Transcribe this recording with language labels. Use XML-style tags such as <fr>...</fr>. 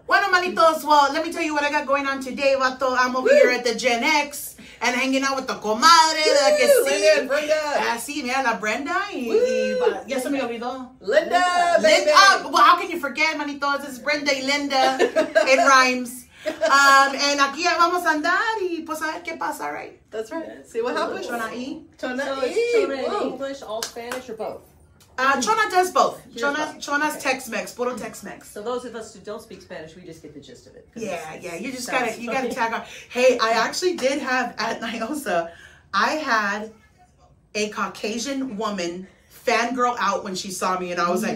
<en>Bueno, manitos, well, let me tell you what I got going on today, vato. I'm over here at the GenX and hanging out with the comadre. Woo! Like, Brenda.</en> <es>Sí, mira, la Brenda. Yes, me olvidó. Linda.</es> <en>Well, how can you forget, manitos? It's Brenda y Linda. It rhymes.</en> <es>And aquí vamos a andar y pues a ver qué pasa, right?</es> <en>That's right. See what happens. Chona E. Chona E. Chona in English, all Spanish, or both? Chona does both. Chona's okay. Tex-Mex, puro Tex-Mex. So those of us who don't speak Spanish, we just get the gist of it. Yeah. You gotta tag on. Hey, I actually did have at NIOSA, I had a Caucasian woman fangirl out when she saw me, and I was like,</en>